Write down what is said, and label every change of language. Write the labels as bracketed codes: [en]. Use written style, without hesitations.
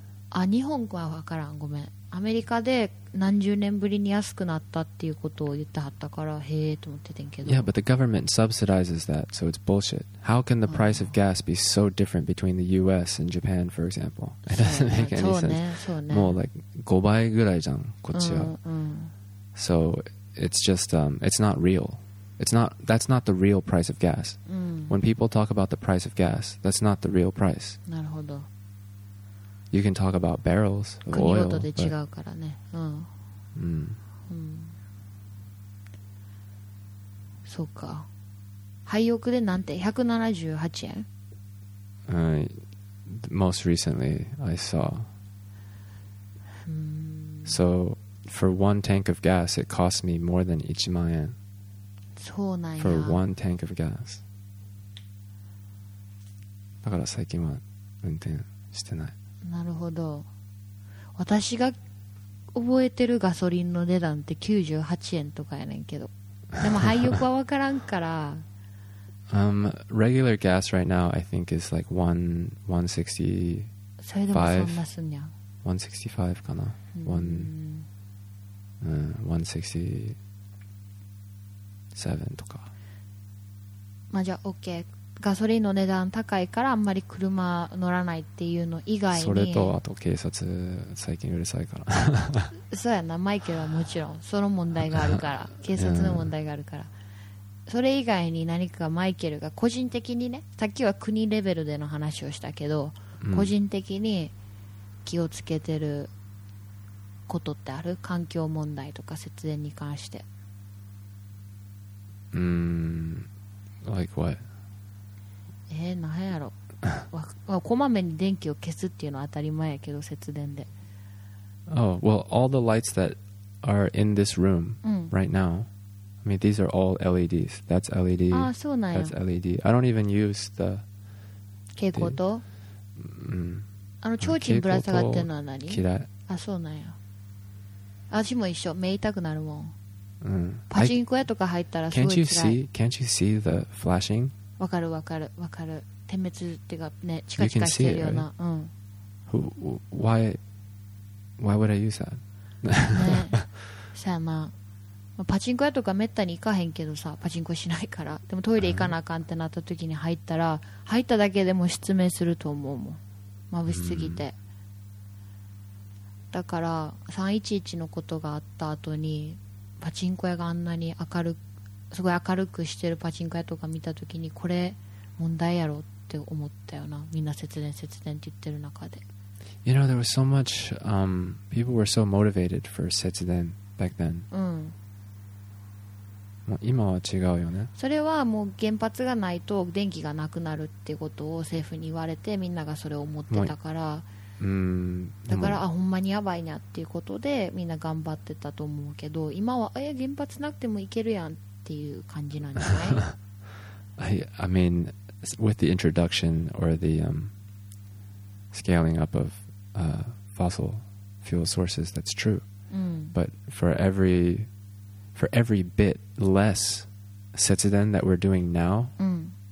[ja] あ、日本語は分からん、ごめん。アメリカで何十年ぶりに安くなったっていうことを言ってはったから、へえと思っててんけど。 [en] Yeah, but the government subsidizes that, so it's bullshit. How can the price of gas be so different between the U.S. and Japan, for example? It doesn't make any sense. [ja] そうね、そうね。もうlike 5倍ぐらいじゃん、こっちは。うんうん。 [en] So it's just, it's not real. That's not the real price of gas. [ja] うん。 [en] When people talk about the price of gas, that's not the real price. [ja] なるほど。 [en] You can talk about barrels of oil. [ja] 国ごとで違うからね。うん。うん。そうか。廃屋でなんて178円。 [en] Most recently I saw. So for one tank of gas, it cost me more than 1万円。 [ja] そうなんや。 [en] For one tank of gas. [ja] だから最近は運転してない。なるほど。私が覚えてるガソリンの値段って98円とかやねんけど。でも廃油はわからんから。 [en] regular gas right now I think is like 165. [ja] それでもそんなすんやん。 165かな。167とか。まあじゃあ OK。ガソリンの値段高いからあんまり車乗らないっていうの以外に、それとあと警察最近うるさいからそうやな、マイケルはもちろんその問題があるから、警察の問題があるから、それ以外に何かマイケルが個人的にね、さっきは国レベルでの話をしたけど、うん、個人的に気をつけてることってある？環境問題とか節電に関して。 [en] Like what? [ja] なんやろこまめに電気を消すっていうのは当たり前やけど、節電で。 [en] Oh, well, all the lights that are in this room、うん、 right now, I mean, these are all LEDs. That's LED. [ja] あ、そうなんや。 [en] That's LED. I don't even use the... [ja] 蛍光灯、うん、あの、ちょうちんぶら下がってるのは何？嫌い。あ、そうなんや。味も一緒。目痛くなるもん。うん、パチンコ屋とか入ったらすごい [en] 辛い。 Can't you see the flashing? [ja] わかるわかるわかる、点滅っていうかね、チカチカしてるような、 [en] うん、 why would I use that? [ja] さやな、パチンコ屋とかめったに行かへんけどさ、パチンコしないから。でもトイレ行かなあかんってなった時に入ったら、入っただけでも失明すると思うもん、眩しすぎて、だから311のことがあった後にパチンコ屋があんなに明るく、すごい明るくしてるパチンコ屋とか見たときに、これ問題やろって思ったよな、みんな節電節電って言ってる中で。 [en] You know, there was so much、people were so motivated for 節電 back then、 [ja] うん、もう今は違うよね。それはもう原発がないと電気がなくなるってことを政府に言われて、みんながそれを思ってたから、だから、あ、ほんまにやばいなっていうことでみんな頑張ってたと思うけど、今は、原発なくてもいけるやんっていう感じなんじゃない？ [en] I mean, with the introduction or the、scaling up of、fossil fuel sources, that's true.、 [ja] うん、 [en] But for every bit less 節電 that we're doing now、 [ja] うん、